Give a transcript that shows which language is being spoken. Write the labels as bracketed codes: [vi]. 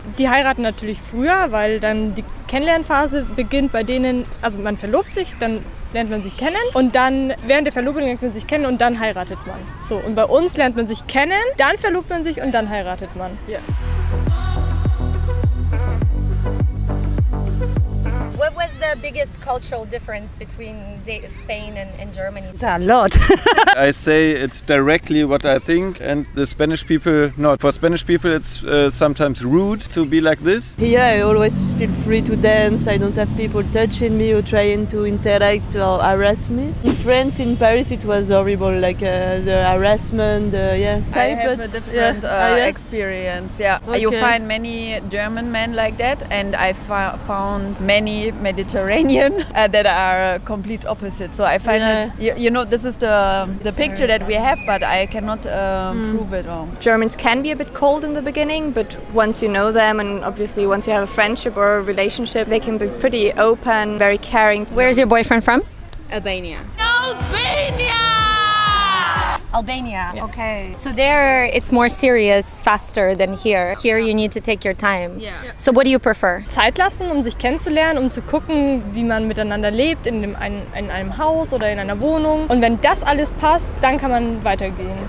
[de] Die heiraten natürlich früher, weil dann die Kennenlernphase beginnt bei denen. Also man verlobt sich, dann lernt man sich kennen und dann während der Verlobung lernt man sich kennen und dann heiratet man. So, und bei uns lernt man sich kennen, dann verlobt man sich und dann heiratet man. [en] Yeah. What was the biggest cultural difference between Spain and Germany? It's a lot. I say it's directly what I think, and the Spanish people, not. For Spanish people, it's sometimes rude to be like this. Here I always feel free to dance. I don't have people touching me or trying to interact or harass me. In France, in Paris, it was horrible, like the harassment, I have a different experience. Yeah. Okay. You find many German men like that, and I found many Mediterranean that are complete opposite. So I find it, you know, this is the picture that we have, but I cannot prove it wrong. Germans can be a bit cold in the beginning, but once you know them, and obviously once you have a friendship or a relationship, they can be pretty open, very caring. Where's your boyfriend from? Albania. Albania! Albania, yeah. Okay. So there it's more serious, faster than here. Here you need to take your time. Yeah. So what do you prefer? [de] Zeit lassen, um sich kennenzulernen, um zu gucken, wie man miteinander lebt in einem Haus oder in einer Wohnung. Und wenn das alles passt, dann kann man weitergehen.